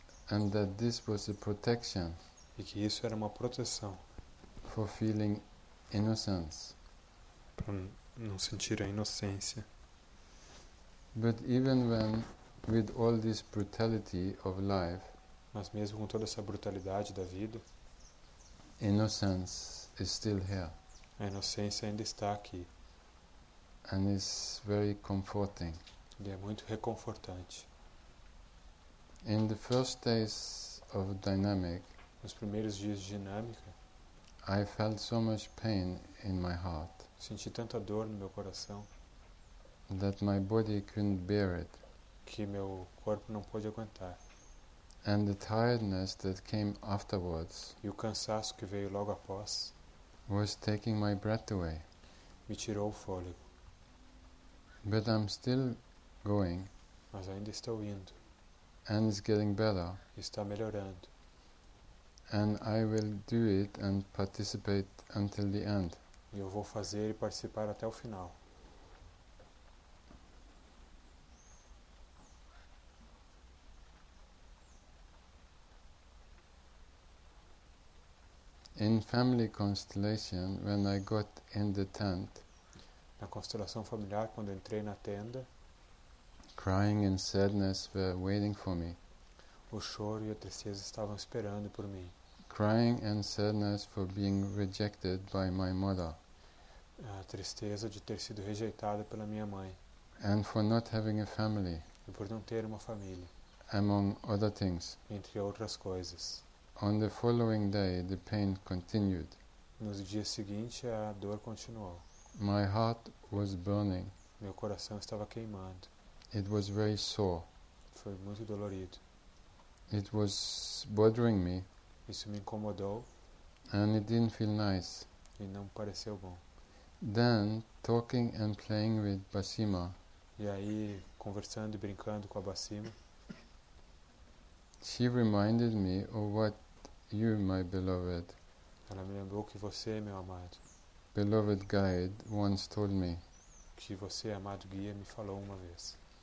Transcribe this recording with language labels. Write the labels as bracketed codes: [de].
[en] And that this was a protection. [pt] E que isso era uma proteção. [en] For feeling innocence. [pt] Para não sentir a inocência. [en] But even when, with all this brutality of life, [pt] mas mesmo com toda essa brutalidade da vida, [en] innocence is still here. [pt] A inocência ainda está aqui. [en] And it's very comforting. [pt] E é muito reconfortante. [en] In the first days of dynamic, [pt] nos primeiros dias de dinâmica, [en] I felt so much pain in my heart. [pt] Senti tanta dor no meu coração. [en] That my body couldn't bear it. [pt] Que meu corpo não pôde aguentar. [en] And the tiredness that came afterwards. [pt] E o cansaço que veio logo após. [en] Was taking my breath away. [pt] Me tirou o fôlego. [en] But I'm still going. [pt] Mas ainda estou indo. [en] And it's getting better. [pt] Está melhorando. [en] And I will do it and participate until the end. [pt] E eu vou fazer e participar até o final. [en] In family constellation, when I got in the tent, [pt] na constelação familiar, quando eu entrei na tenda, [en] crying and sadness were waiting for me. [pt] O choro e a tristeza estavam esperando por mim. [en] Crying and sadness for being rejected by my mother. [pt] A tristeza de ter sido rejeitada pela minha mãe. [en] And for not having a family. [pt] E por não ter uma família. [en] Among other things. [pt] Entre outras coisas. [en] On the following day, the pain continued. [pt] Nos dias seguintes, a dor continuou. [en] My heart was burning. [pt] Meu coração estava queimando. [en] It was very sore. [pt] Foi muito dolorido. [en] It was bothering me. [pt] Isso me incomodou. [en] And it didn't feel nice. [pt] E não pareceu bom. [en] Then, talking and playing with Basima. [pt] E aí, conversando e brincando com a Basima. [en] She reminded me of what you, my beloved. [pt] Ela me lembrou que você, meu amado. [en] Beloved guide once told me. [pt] Que você, amado guia, me falou uma vez.